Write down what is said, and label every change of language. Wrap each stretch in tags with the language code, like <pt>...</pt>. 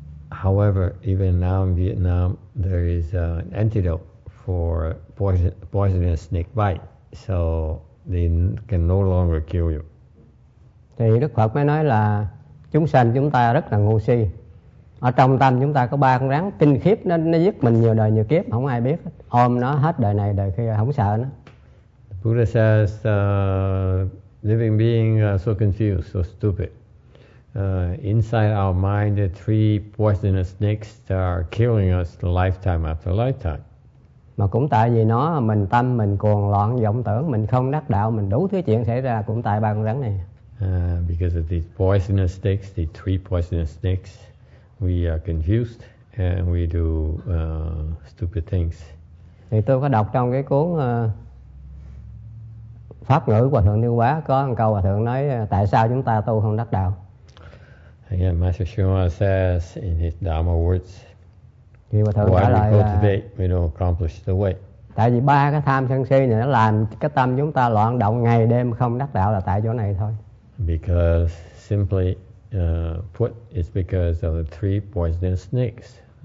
<en>However, even now in Vietnam there is an antidote for poisonous snake bite, so they can no longer kill you.</en> <vi>Thì Đức Phật mới nói là chúng sanh chúng ta rất là ngu si. Ở trong tâm chúng ta có ba con rắn kinh khiếp nó giết mình nhiều đời nhiều kiếp, không ai biết. Ôm nó hết đời này đời kia không sợ nó.</vi> <en>The Buddha says, living beings are so confused, so stupid. Inside our mind, the three poisonous snakes are killing us lifetime after lifetime.</en> <vi>Mà cũng tại vì nó mình tâm mình cuồng loạn vọng tưởng mình không đắc đạo mình đủ thứ chuyện xảy ra cũng tại ba con rắn này.</vi> <en>Because of these poisonous snakes, the three poisonous snakes, we are confused and we do stupid things.</en> <vi>Thì tôi có đọc trong cái cuốn Pháp Ngữ của Thượng Tiêu Hóa có một câu Hòa Thượng nói tại sao chúng ta tu không đắc đạo.</vi> <en>Again, Master Shuma says in his Dharma words, why we cultivate, we don't accomplish the way.</en> <vi>Tại vì ba cái tham sân si này nó làm cái tâm chúng ta loạn động ngày đêm không đắc đạo là tại chỗ này thôi.</vi> <en>Because simply put, it's because of the three poisonous snakes.</en>